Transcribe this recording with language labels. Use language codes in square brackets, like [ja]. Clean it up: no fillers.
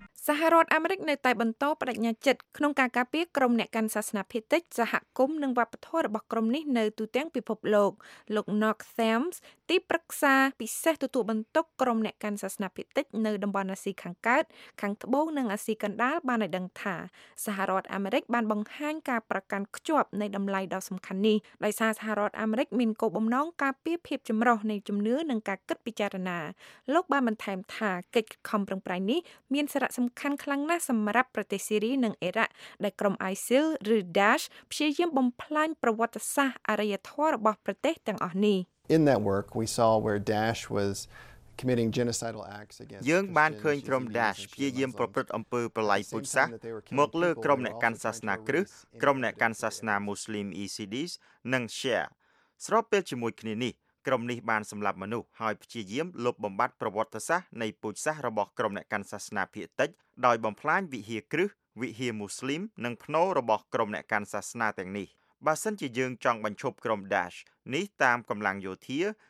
[km] សហរដ្ឋអាមេរិកនៅតែបន្តបដិញ្ញាចិត្តក្នុងការការពារក្រុមអ្នកកាន់សាសនាភេទិចសហគមន៍និងវប្បធម៌របស់ក្រុមនេះនៅទូទាំងពិភពលោកលោក Knox Thames ទីប្រឹក្សាពិសេសទទួលបន្ទុកក្រុមអ្នកកាន់សាសនាភេទិចនៅតំបន់អាស៊ីខាងកើតខាងត្បូងនិងអាស៊ីកណ្ដាលបានឲ្យដឹងថាសហរដ្ឋអាមេរិកបានបង្ហាញការប្រកាន់ខ្ជាប់នៃតម្លៃដ៏សំខាន់នេះដោយសារសហរដ្ឋអាមេរិកមានគោលបំណងការពារភាពចម្រុះនៃជំនឿនិងការគិតពិចារណា លោកបានបន្ថែមថាកិច្ចខំប្រឹងប្រែងនេះមានសារៈសំខាន់ខ្លាំងណាស់សម្រាប់ប្រទេសស៊ីរីនិងអ៊ីរ៉ាក់ដែលក្រុម ISIL ឬ Daesh ព្យាយាមបំផ្លាញប្រវត្តិសាស្ត្រអារ្យធម៌របស់ប្រទេសទាំងអស់នេះ [en] In that work we saw where Daesh was committing genocidal acts against Christians. [km] យើងបានឃើញក្រុម Daesh ព្យាយាមប្រព្រឹត្តអំពើប្រល័យពូជសាសន៍មកលើក្រុមអ្នកកាន់សាសនាគ្រឹះក្រុមអ្នកកាន់សាសនាមូស្លីម ISIS និង Shia ស្របពេលជាមួយគ្នានេះក្រុមនេះបានសម្លាប់មនុស្សហើយព្យាយាមលុបបំបាត់ប្រវត្តិសាស្ត្រនៃពូជសាសន៍របស់ក្រុមអ្នកកាន់សាសនាភៀតិចដោយបំផ្លាញវិហារគ្រឹះវិហារមូស្លីមនិងភ្នូរបស់ក្រុមអ្នកកាន់សាសនាទាំងនេះបើសិនជាយើងចង់បញ្ឈប់ក្រុម Daesh នេះតាមកម្លាំងយោធា